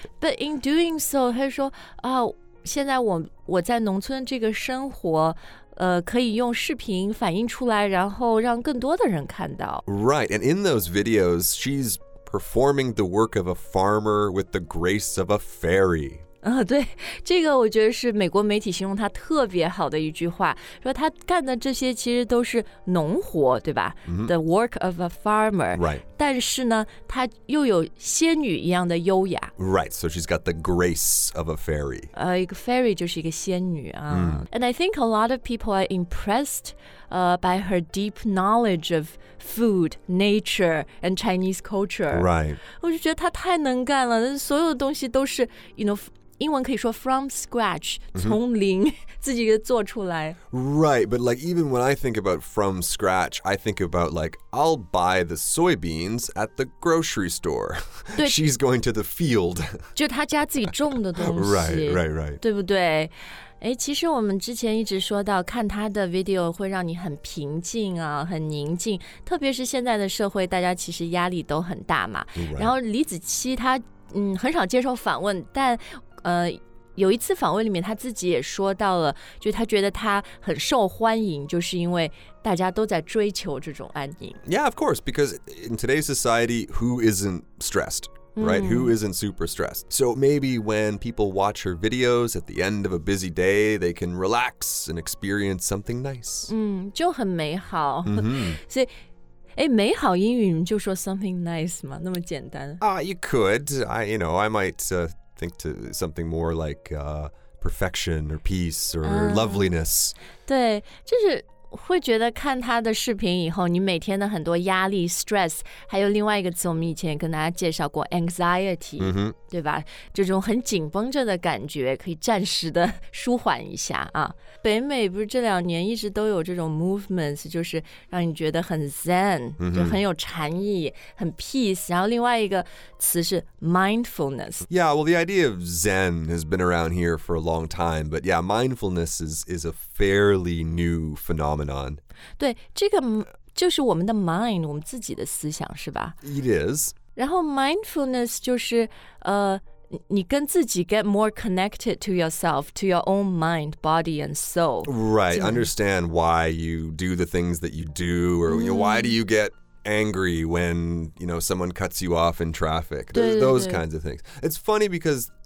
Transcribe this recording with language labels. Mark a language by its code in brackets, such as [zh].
[en] But in doing so, [zh] 他说啊，现在我在农村这个生活，可以用视频反映出来，然后让更多的人看到。 [en] Right, and in those videos, she's performing the work of a farmer with the grace of a fairy. [zh] 对，这个我觉得是美国媒体形容他特别好的一句话，说他干的这些其实都是农活，对吧？ [en] The work of a farmer. Right. [zh] 但是呢，他又有仙女一样的优雅。 [en] Right, so she's got the grace of a fairy. [zh] 一个 fairy 就是一个仙女啊。 [en] And I think a lot of people are impressed, by her deep knowledge of food, nature, and Chinese culture. Right. [zh] 我就觉得他太能干了，所有东西都是 英文可以说 [en] from scratch, [zh] 从零自己做出来。 [en] Right, but like even when I think about from scratch, I think about like, I'll buy the soybeans at the grocery store. She's going to the field. [zh] 就她家自己种的东西。 [en] Right. [zh] 对不对？哎，其实我们之前一直说到看她的 video 会让你很平静啊，很宁静，特别是现在的社会，大家其实压力都很大嘛。 [en] Right. [zh] 然后李子柒她很少接受访问，但有一次访问里面他自己也说到了，就他觉得他很受欢迎，就是因为大家都在追求这种安宁。 [en] Yeah, of course, because in today's society, who isn't stressed, right? Who isn't super stressed? So maybe when people watch her videos at the end of a busy day, they can relax and experience something nice. [zh] 就很美好。所以哎，美好英语你就说 [en] something nice [zh] 嘛，那么简单。 [en] You could. I might think to something more like perfection or peace or loveliness. [zh] 对，就是会觉得看他的视频以后，你每天的很多压力 stress， 还有另外一个词，我们以前跟大家介绍过 anxiety，对吧？这种很紧绷着的感觉，可以暂时的舒缓一下啊。北美不是这两年一直都有这种 movements， 就是让你觉得很 zen，就很有禅意，很 peace。然后另外一个词是 mindfulness。 [en] Yeah, well, the idea of zen has been around here for a long time, but yeah, mindfulness is a fairly new phenomenon. [zh] 对，这个就是我们的 mind， 我们自己的思想是吧？ [en] It is. [zh] 然后 [en] mindfulness [zh] 就是你跟自己 [en] get more connected to yourself, to your own mind, body, and soul. Right, understand why you do the things that you do, or why do you get angry when, someone cuts you off in traffic, those kinds of things. It's funny because